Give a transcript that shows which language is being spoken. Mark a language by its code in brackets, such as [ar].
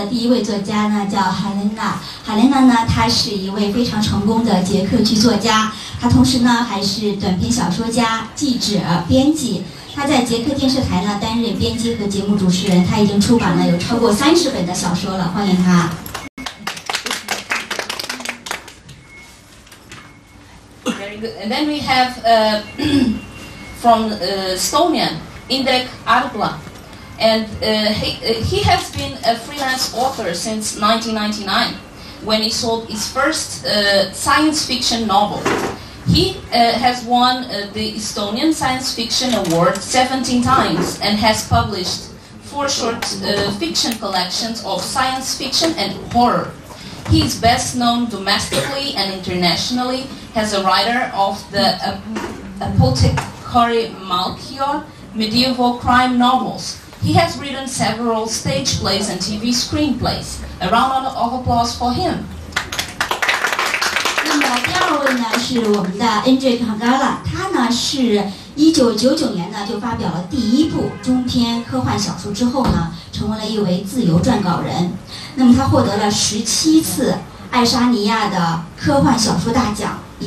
[zh] 首先呢，我们介绍的第一位作家呢叫 Halina，她是一位非常成功的捷克剧作家，她同时呢还是短篇小说家、记者、编辑。她在捷克电视台呢担任编辑和节目主持人，她已经出版了有超过30本的小说了，欢迎她。 [en] And then we have from Estonian, Indrek Hargla. And he has been a freelance author since 1999, when he sold his first science fiction novel. He has won the Estonian Science Fiction Award 17 times and has published 4 short fiction collections of science fiction and horror. He is best known domestically and internationally as a writer of the Apothecary Malkior medieval crime novels. He has written several stage plays and TV screenplays. A round of applause for him. [zh] 那么第二位呢是我们的Indrek Hargla，他呢是1999年呢就发表了第一部中篇科幻小说之后呢，成为了一位自由撰稿人。那么他获得了17次爱沙尼亚的科幻小说大奖。